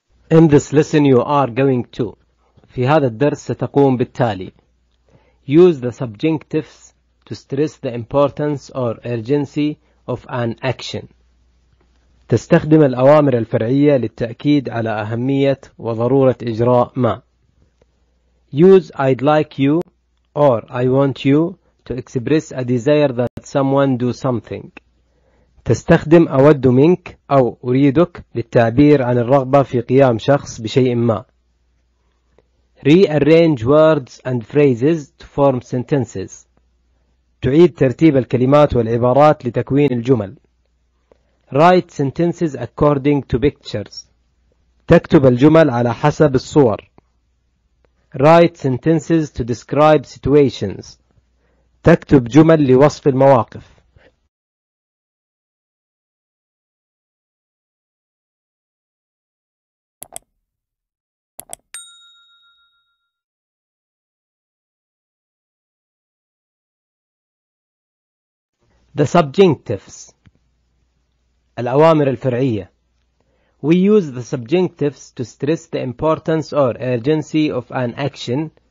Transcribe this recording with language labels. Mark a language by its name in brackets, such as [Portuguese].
[English] In this lesson you are going to [Arabic] في هذا الدرس ستقوم بالتالي: [English] Use the subjunctives to stress the importance or urgency of an action. [Arabic] تستخدم الأوامر الفرعية للتأكيد على أهمية وضرورة إجراء ما. [English] Use I'd like you or I want you to express a desire that someone do something. [Arabic] تستخدم أود منك أو أريدك للتعبير عن الرغبة في قيام شخص بشيء ما. [English] Rearrange words and phrases to form sentences. [Arabic] تعيد ترتيب الكلمات والعبارات لتكوين الجمل. [English] Write sentences according to pictures. [Arabic] تكتب الجمل على حسب الصور. [English] Write sentences to describe situations. [Arabic] تكتب جمل لوصف المواقف. [English] The subjunctives [Arabic] الأوامر الفرعية. [English] We use the subjunctives to stress the importance or urgency of an action.